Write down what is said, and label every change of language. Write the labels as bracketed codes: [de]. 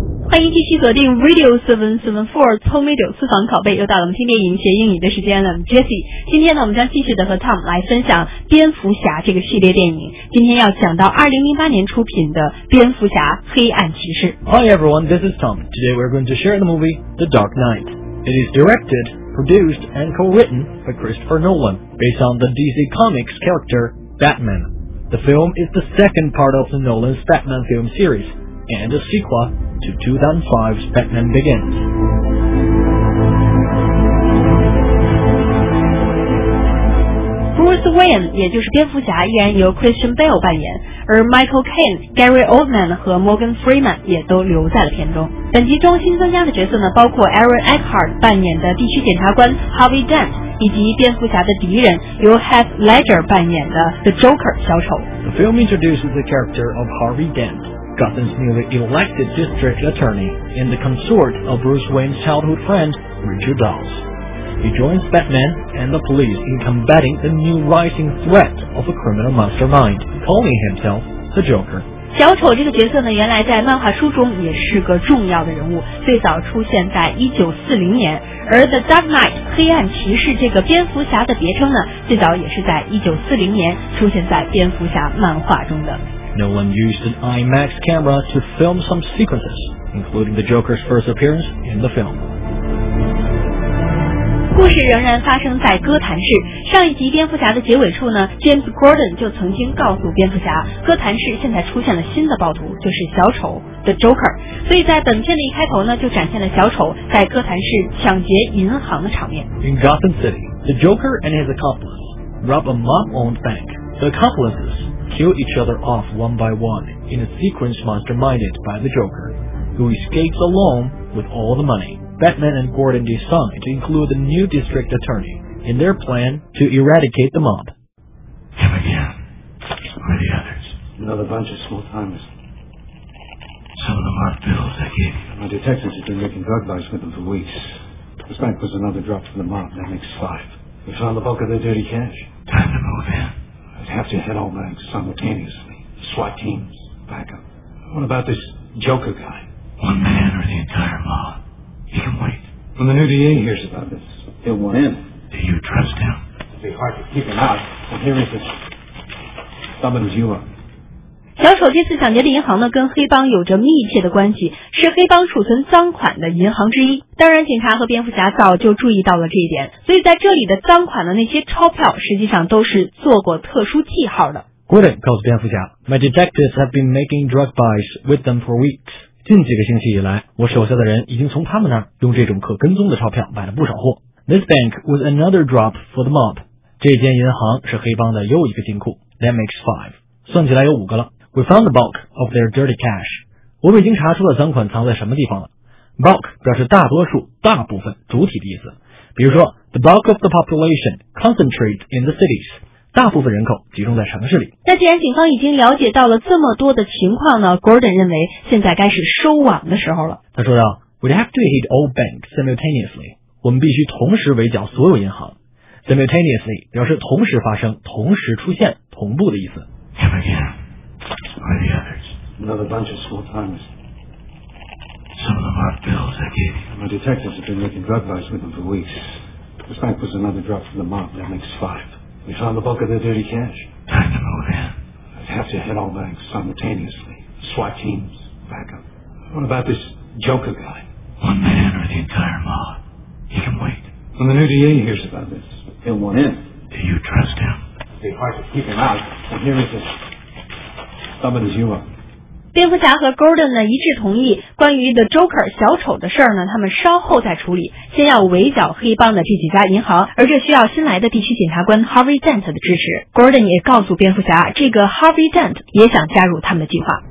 [zh] 欢迎继续锁定 Radio 774聪美九私房拷贝，又到了我们听电影学英语的时间了。 Jessie， 今天呢我们将继续的和 Tom 来分享蝙蝠侠这个系列电影，今天要讲到2008年出品的蝙蝠侠黑暗骑士。 [en] Hi everyone, this is Tom. Today we're going to share the movie The Dark Knight. It is directed, produced and co-written by Christopher Nolan based on the DC Comics character Batman. The film is the second part of the Nolan's Batman film seriesAnd a sequel to 2005's Batman Begins. [zh] Bruce Wayne, 也就是蝙蝠侠，依然由 Christian Bale 扮演，而 Michael Caine、Gary Oldman 和 Morgan Freeman 也都留在了片中。本集中新增加的角色呢，包括 Aaron Eckhart 扮演的地区检察官 Harvey Dent，以及蝙蝠侠的敌人由 Heath Ledger 扮演的 The Joker 小丑。 [en] The film introduces the character of Harvey Dent. Gotham's newly elected district attorney and the consort of Bruce Wayne's childhood friend, Richard Dawes. He joins Batman and the police in combating the new rising threat of a criminal mastermind, calling himself the Joker. [zh] 小丑这个角色呢，原来在漫画书中也是个重要的人物，最早出现在1940年，而 The Dark Knight 黑暗骑士这个蝙蝠侠的别称呢，最早也是在1940年出现在蝙蝠侠漫画中的。 [en] Nolan used an IMAX camera to film some sequences, including the Joker's first appearance in the film. [zh] 故事仍然发生在哥谭市。上一集蝙蝠侠的结尾处呢， James Gordon 就曾经告诉蝙蝠侠，哥谭市现在出现了新的暴徒，就是小丑 The Joker。所以在本片的一开头呢，就展现了小丑在哥谭市抢劫银行的场面。 [en] In Gotham City, the Joker and his accomplices rob a mob-owned bank. The accomplices kill each other off one by one in a sequence masterminded by the Joker, who escapes alone with all the moneyBatman and Gordon decide to include the new district attorney in their plan to eradicate the mob. Him again. Where are the others? Another bunch of small-timers. Some of them aren't bills I gave you. My detectives have been making drug buys with them for weeks. This bank was another drop for the mob. That makes five. We found the bulk of their dirty cash. Time to move in. I'd have to hit all banks simultaneously. SWAT teams, backup. What about this Joker guy? One man or the entire mob? He can wait. When the new DA hears about this, he'll want in. Do you trust him? It'd be hard to keep him out. And here is this. Summons you up. [zh] 小丑这次抢劫的银行呢，跟黑帮有着密切的关系，是黑帮储存赃款的银行之一。当然警察和蝙蝠侠早就注意到了这一点，所以在这里的赃款的那些钞票实际上都是做过特殊记号的。 [en] Gordon [zh] 告诉蝙蝠侠， [en] My detectives have been making drug buys with them for weeks. [zh] 近几个星期以来，我手下的人已经从他们那儿用这种可跟踪的钞票买了不少货。 [en] This bank was another drop for the mob. [zh] 这间银行是黑帮的又一个金库。 [en] That makes five. [zh] 算起来有五个了。 [en] We found the bulk of their dirty cash. [zh] 我们已经查出了赃款藏在什么地方了。Bulk 表示大多数、大部分、主体的意思。比如说 [en] ,the bulk of the population concentrates in the cities. [zh] 大部分人口集中在城市里。那既然警方已经了解到了这么多的情况呢， Gordon 认为现在该是收网的时候了。他说道， [en] We'd have to hit all banks simultaneously. [zh] 我们必须同时围剿所有银行。Simultaneously 表示同时发生、同时出现、同步的意思。 [en] Him again. Where are the others? Another bunch of small timers. Some of them aren't bills I gave you. My detectives have been making drug buys with them for weeks. This bank was another drop from the mob. That makes fiveWe found the bulk of their dirty cash. Time to move in. I'd have to hit all banks simultaneously. SWAT teams, backup. What about this Joker guy? One man or the entire mob. He can wait. When the new DA hears about this, he'll want in. Do you trust him? It'd be hard to keep him out. And here is this. Summons you up. [zh] 蝙蝠侠和 Gordon 呢一致同意，关于 The Joker 小丑的事儿呢，他们稍后再处理，先要围剿黑帮的这几家银行，而这需要新来的地区检察官 Harvey Dent 的支持。 Gordon 也告诉蝙蝠侠，这个 Harvey Dent 也想加入他们的计划。